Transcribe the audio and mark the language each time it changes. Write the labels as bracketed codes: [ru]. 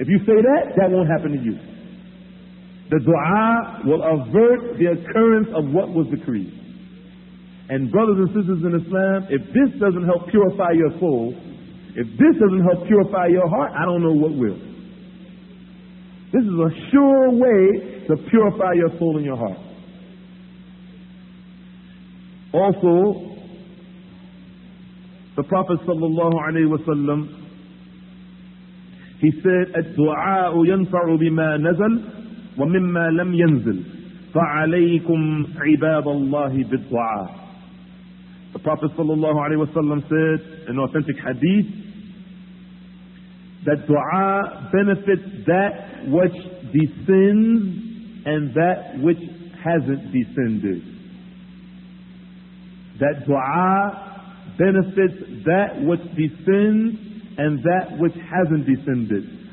[en] If you say that, that won't happen to you. The dua will avert the occurrence of what was decreed. And brothers and sisters in Islam, if this doesn't help purify your soul, if this doesn't help purify your heart, I don't know what will. This is a sure way to purify your soul and your heart. Also, the Prophet sallallahu alayhi wa sallam, he said, [ar] الدُعَاءُ يَنْفَعُ بِمَا نَزَلْ وَمِمَّا لَمْ يَنْزِلْ فَعَلَيْكُمْ عِبَادَ اللَّهِ بِالدُعَاءِ. [en] The Prophet sallallahu alayhi wa sallam said, in authentic hadith, that dua benefits that which descends and that which hasn't descended. That dua benefits that which descends and that which hasn't descended.